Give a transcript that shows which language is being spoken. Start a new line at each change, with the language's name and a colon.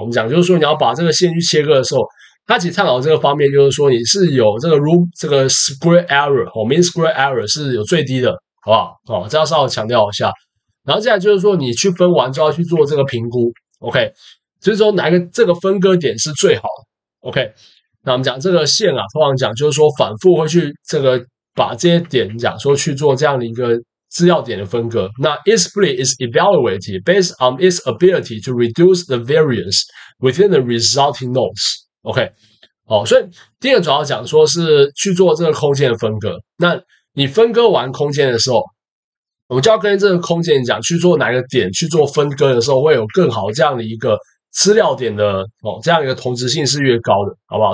Chinese: 我们讲就是说你要把这个线去切割的时候，它其实探讨这个方面就是说你是有这个 room 这个 square error 哦，mean square error 是有最低的，好不好？哦，这要稍微强调一下。然后接下来就是说你去分完之后要去做这个评估，OK，就是说哪个这个分割点是最好的，OK。那我们讲这个线啊，通常讲就是说反复会去这个把这些点讲说去做这样的一个资料点的分割。
English: 那 each split is evaluated based on its ability to reduce the variance within the resulting nodes.
Chinese: OK，好，所以第二个主要讲说是去做这个空间的分割。那你分割完空间的时候，我们就要跟这个空间讲去做哪个点去做分割的时候，会有更好这样的一个。资料点的哦，这样一个同质性是越高的，好不好？